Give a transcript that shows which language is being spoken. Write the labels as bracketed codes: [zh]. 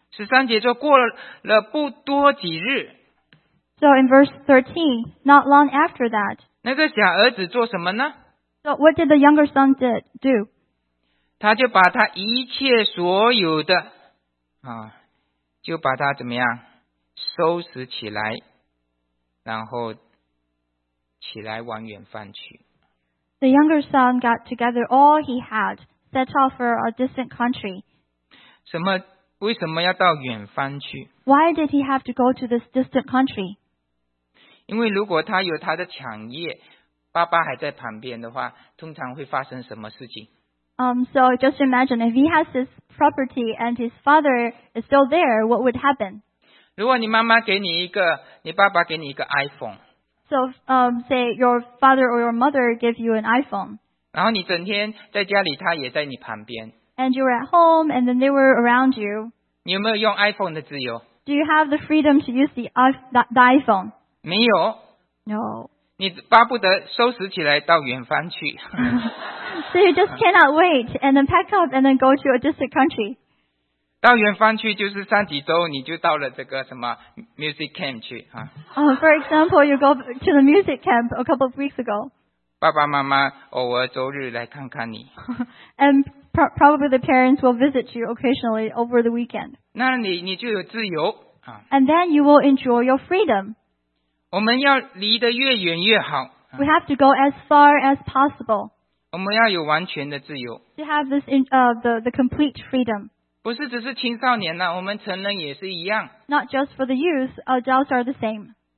[zh] 十三节就过了不多几日。 [en] So in verse 13, not long after that. [zh] 那个小儿子做什么呢？ [en] So what did the younger son do? [zh] 他就把他一切所有的就把他怎么样收拾起来，然后。起来往远方去。 [en] The younger son got together all he had, set off for a distant country. [zh] 为什么要到远方去？ [en] Why did he have to go to this distant country? [zh] 因为如果他有他的产业，爸爸还在旁边的话，通常会发生什么事情？ [en] So just imagine if he has his property and his father is still there, what would happen? [zh] 如果你妈妈给你一个，你爸爸给你一个 iPhone。 [en] So, say your father or your mother give you an iPhone. [zh] 然后你整天在家里，他也在你旁边。 [en] And you were at home, and then they were around you. [zh] 你有没有用 iPhone 的自由？ [en] Do you have the freedom to use the iPhone? [zh] 没有。 [en] No. [zh] 你巴不得收拾起来到远方去。 [en] So you just cannot wait and then pack up and then go to a distant country. [zh] 到远方去就是上几周你就到了这个什么 music camp 去。 [en] For example, you go to the music camp a couple of weeks ago. [zh] 爸爸妈妈偶尔周日来看看你。 [en] And probably the parents will visit you occasionally over the weekend. [zh] 那你就有自由。 [en] And then you will enjoy your freedom. [zh] 我们要离得越远越好。 [en] We have to go as far as possible. [zh] 我们要有完全的自由。 [en] To have this in, the complete freedom. [zh] 不是只是青少年了，我们成人也是一样。 [en] Not just for the youth, adults are the same.